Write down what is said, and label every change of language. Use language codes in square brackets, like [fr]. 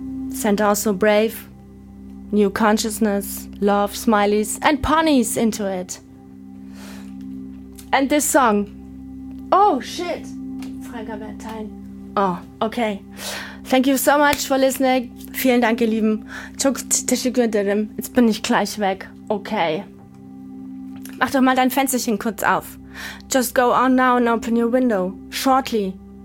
[en] Sent also brave, new consciousness, love, smileys, and ponies into it. And this song. Oh, shit. [de] Freigabe erteilen. [en] Oh, okay. Thank you so much for listening. [de] Vielen Dank, ihr Lieben. Jetzt bin ich gleich weg. Okay. Mach doch mal dein Fensterchen kurz auf. [en] Just go on now and open your window. Shortly.